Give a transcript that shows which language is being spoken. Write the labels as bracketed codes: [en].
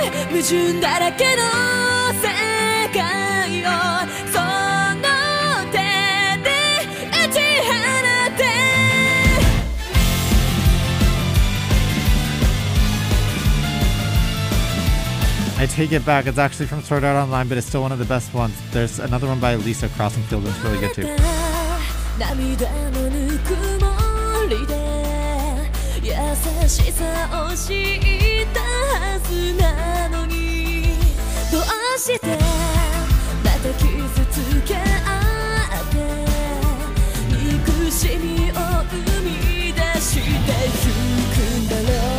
[ja] 矛盾だらけの世界をその手で打ち放って [en] I take it back. It's actually from Sword Art Online, but it's still one of the best ones. There's another one by Lisa Crossingfield that's really good too. [ja] 涙のぬくもりで優しさを知ったはずなのにどうしてまた傷つけ合って憎しみを生み出してゆくんだろ